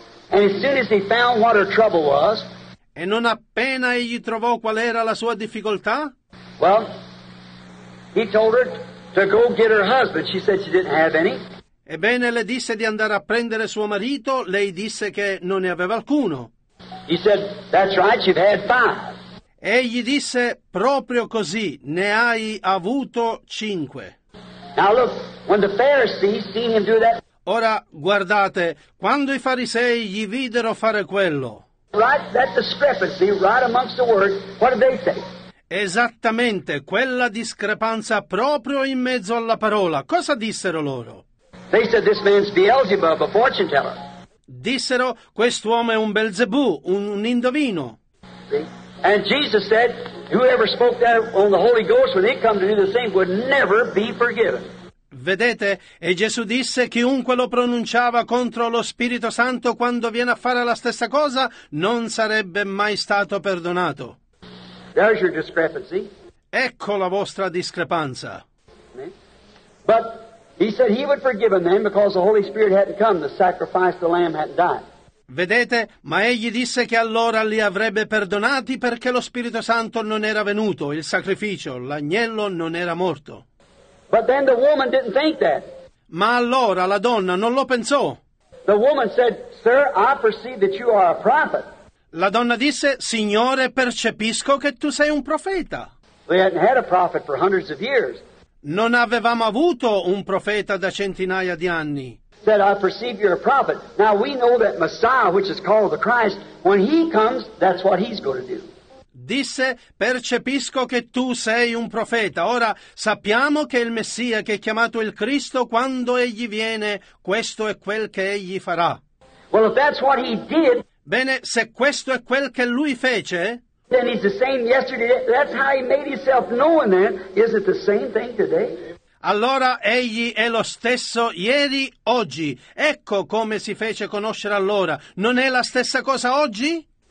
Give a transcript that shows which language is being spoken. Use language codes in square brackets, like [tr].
[en] And as soon as he found what her trouble was, [it] e non appena egli trovò qual era la sua difficoltà, [en] well, he told her to go get her husband. She said she didn't have any. [it] Ebbene, le disse di andare a prendere suo marito. Lei disse che non ne aveva alcuno. [en] He said, that's right, you've had five. [it] Egli disse, proprio così, ne hai avuto cinque. [en] Now look, when the Pharisees seen him do that. [it] Ora guardate, quando i farisei gli videro fare quello. [en] Right, that discrepancy right amongst the word, what did they say? [it] Esattamente, quella discrepanza proprio in mezzo alla parola. Cosa dissero loro? [en] They said this man's Beelzebub, a fortune teller. [it] Dissero, quest'uomo è un Belzebù, un indovino. [en] See? And Jesus said, whoever spoke that on the Holy Ghost when he come to do the same would never be forgiven. [it] Vedete, e Gesù disse, chiunque lo pronunciava contro lo Spirito Santo quando viene a fare la stessa cosa, non sarebbe mai stato perdonato. [en] There's your discrepancy. [it] Ecco la vostra discrepanza. [en] But he said he would forgive them because the Holy Spirit hadn't come, the sacrifice of the Lamb hadn't died. [it] Vedete, ma egli disse che allora li avrebbe perdonati perché lo Spirito Santo non era venuto, il sacrificio, l'agnello non era morto. [en] But then the woman didn't think that. [it] Ma allora la donna non lo pensò. [en] The woman said, sir, I perceive that you are a prophet. [it] La donna disse, signore, percepisco che tu sei un profeta. [en] They hadn't had a prophet for hundreds of years. [it] Non avevamo avuto un profeta da centinaia di anni. [en] said, I perceive you're a prophet. Now we know that Messiah, which is called the Christ, when he comes, that's what he's going to do. [it] Disse, percepisco che tu sei un profeta. Ora sappiamo che il Messia, che è chiamato il Cristo, quando egli viene, questo è quel che egli farà. [en] Well, if that's what he did, [it] bene, se questo è quel che lui fece, [en] then he's the same yesterday. That's how he made himself known then. Is it the same thing today? [it] Allora egli è lo stesso ieri, oggi. Ecco come si fece conoscere allora. Non è la stessa cosa oggi?